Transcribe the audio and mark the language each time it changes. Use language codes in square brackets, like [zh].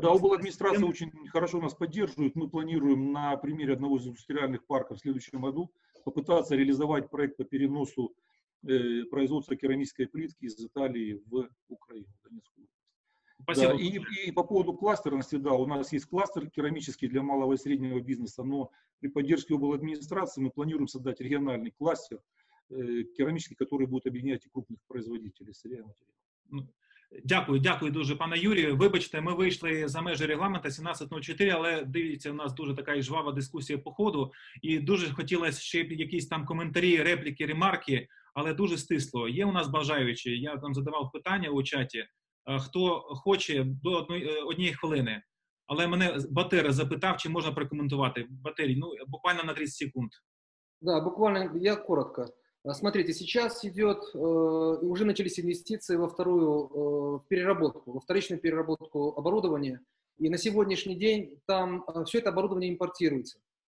[ru] Да, обладминистрация очень хорошо нас поддерживает. Мы планируем на примере одного из индустриальных парков в следующем году попытаться реализовать проект по переносу производства керамической плитки из Италии в Украину, в Донецкую область. Спасибо. Да, и по поводу кластерности, да, у нас есть кластер керамический для малого и среднего бизнеса, но при поддержке обладминистрации мы планируем создать региональный кластер керамический, который будет объединять и крупных производителей сырья и материалов. [uk] Дякую дуже, пане Юрію. Вибачте, ми вийшли за межі регламенту 17.04, але дивіться, у нас дуже така жвава дискусія по ходу, і дуже хотілося ще якісь там коментарі, репліки, ремарки, але дуже стисло. Є у нас бажаючі, я там задавав питання у чаті, хто хоче до однієї хвилини, але мене Батир запитав, чи можна прокоментувати. Батир, ну буквально на 30 секунд. [ru] Да, буквально, я коротко. Смотрите, сейчас идет, уже начались инвестиции во вторую переработку, во вторичную переработку оборудования. И на сегодняшний день там все это оборудование импортируется.